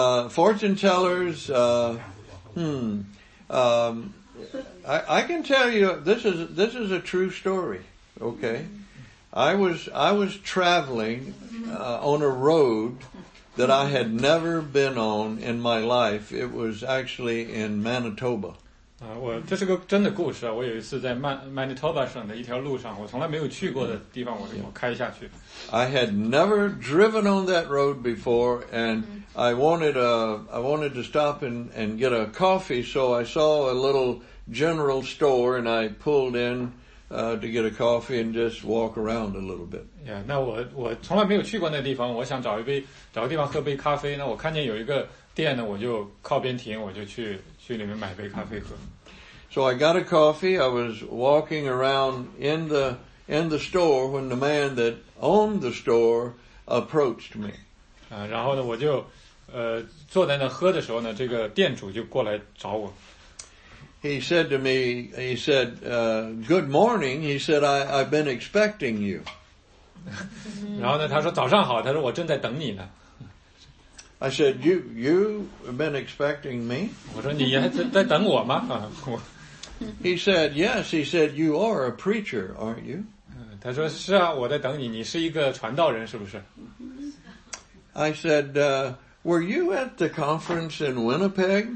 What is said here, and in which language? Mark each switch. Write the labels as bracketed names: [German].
[English] Fortune tellers, I can tell you, this is a true story, okay? I was traveling, on a road that I had never been on in my life. It was actually in Manitoba. [Chinese] 我这是个真的故事啊！我有一次在Manitoba 省的一条路上，我从来没有去过的地方，我开下去。 [English] I had never driven on that road before, and I wanted to stop and get a coffee. So I saw a little general store, and I pulled in to get a coffee and just walk around a little bit. [Chinese] Yeah, 那我从来没有去过那地方，我想找个地方喝杯咖啡。那我看见有一个店呢，我就靠边停，我就去。 [English] So I got a coffee. I was walking around in the store when the man that owned the store approached me. [Chinese] 然后呢，我就坐在那喝的时候呢，这个店主就过来找我。 [English] He said to me, he said, "Good morning." He said, "I've been expecting you." [Chinese] 然后呢，他说早上好，他说我正在等你呢。 [English] I said, you have been expecting me? [Chinese] 我说你还在等我吗？ [English] He said, yes, he said, you are a preacher, aren't you? [Chinese] 他说是啊，我在等你，你是一个传道人是不是？ [English] I said, were you at the conference in Winnipeg?